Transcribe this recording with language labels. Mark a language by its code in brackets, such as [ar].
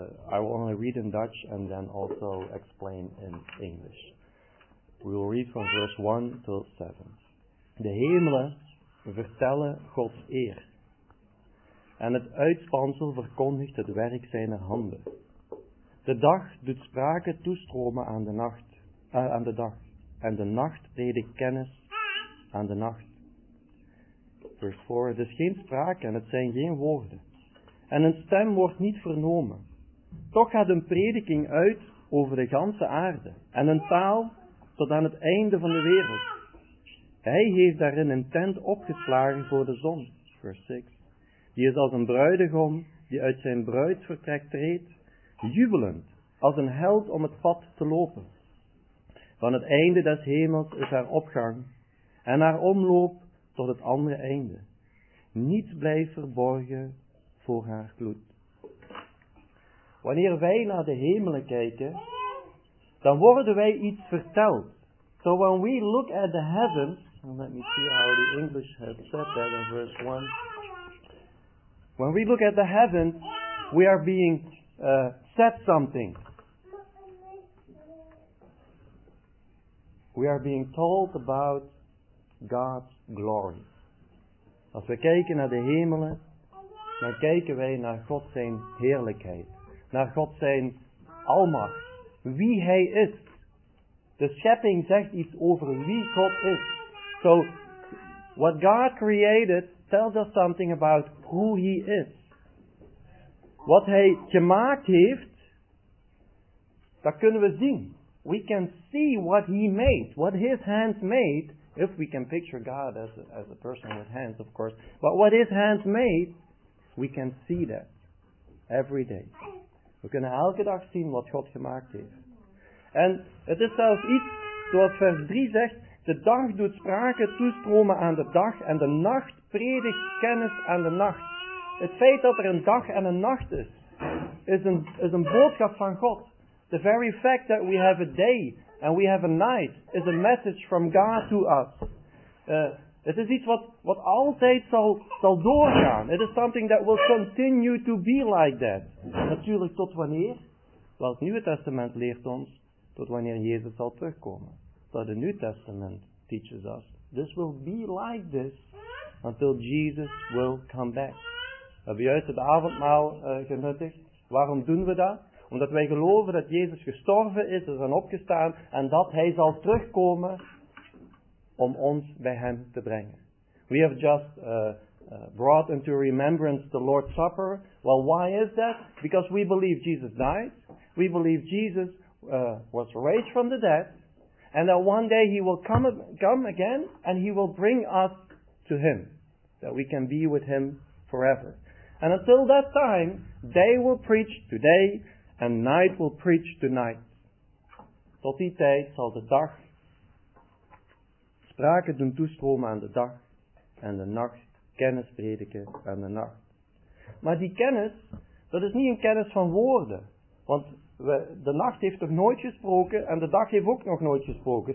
[en] I will only read in Dutch and then also explain in English. We will read from verse 1 to 7. [nl] De hemelen vertellen Gods eer, en het uitspansel verkondigt het werk zijner handen. De dag doet sprake toestromen aan de nacht, aan de dag, en de nacht predikt kennis aan de nacht. Vers 4, het is geen sprake en het zijn geen woorden, en een stem wordt niet vernomen. Toch gaat een prediking uit over de ganse aarde, en een taal tot aan het einde van de wereld. Hij heeft daarin een tent opgeslagen voor de zon, vers 6. Die is als een bruidegom die uit zijn bruidsvertrek treedt, jubelend, als een held om het pad te lopen. Van het einde des hemels is haar opgang en haar omloop tot het andere einde. Niets blijft verborgen voor haar gloed. Wanneer wij naar de hemelen kijken, dan worden wij iets verteld. [en] So when we look at the heavens, let me see how the English has said that in verse 1. When we look at the heavens, we are being said something. We are being told about God's glory. [nl] Als we kijken naar de hemelen, dan kijken wij naar God zijn heerlijkheid. Naar God zijn almacht. Wie hij is. De schepping zegt iets over wie God is. [en] So, what God created tells us something about who He is. [nl] Wat Hij gemaakt heeft, Dat kunnen we zien. [en] We can see what he made, what his hands made, if we can picture God as a person with hands, of course. But what his hands made, we can see that every day. [nl] We kunnen elke dag zien wat God gemaakt heeft. En het is zelfs iets, zoals vers 3 zegt, de dag doet sprake toestromen aan de dag en de nacht predigt kennis aan de nacht. Het feit dat er een dag en een nacht is, is een boodschap van God. [en] The very fact that we have a day and we have a night is a message from God to us. [nl] Het is iets wat altijd zal doorgaan. [en] It is something that will continue to be like that. [nl] Natuurlijk tot wanneer? Wel, het Nieuwe Testament leert ons tot wanneer Jezus zal terugkomen. [en] But the New Testament teaches us this will be like this until Jesus will come back. [nl] We hebben juist het avondmaal genuttigd. Waarom doen we dat? Omdat wij geloven dat Jezus gestorven is, is en opgestaan en dat hij zal terugkomen om ons bij hem te brengen. [en] We have just brought into remembrance the Lord's Supper. Well, why is that? Because we believe Jesus died. We believe Jesus was raised from the dead. And that one day he will come again and he will bring us to him. That we can be with him forever. And until that time, day will preach today and night will preach tonight. [nl] Tot die tijd zal de dag sprake doen toestromen aan de dag en de nacht kennis prediken aan de nacht. Maar die kennis, dat is niet een kennis van woorden. Want de nacht heeft nog nooit gesproken en de dag heeft ook nog nooit gesproken.